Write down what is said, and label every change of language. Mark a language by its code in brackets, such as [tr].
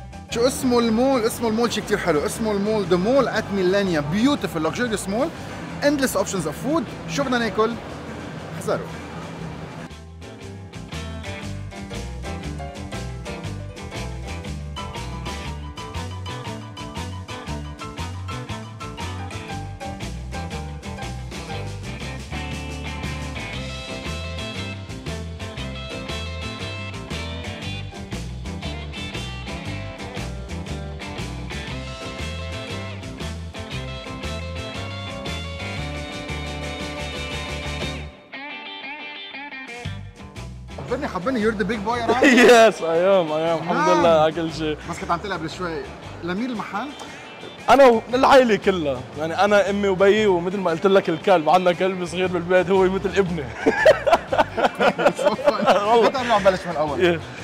[ar] شو اسمه المول؟ اسمه المول شيء كتير حلو، اسمه المول The Mall at Millenia. [en] Beautiful luxurious mall. Endless options of food. [ar] شو بدنا ناكل؟ احذروا. حبني حبني [en] you're the big boy right? yes I am I am [ar] الحمد لله على كل شيء. بس كنت عم تلعب شوي لمين المحل؟ انا والعائلة كلها، يعني انا امي وبي، ومثل ما قلت لك الكلب، عندنا كلب صغير بالبيت هو مثل ابني. والله بدنا نبلش من الاول.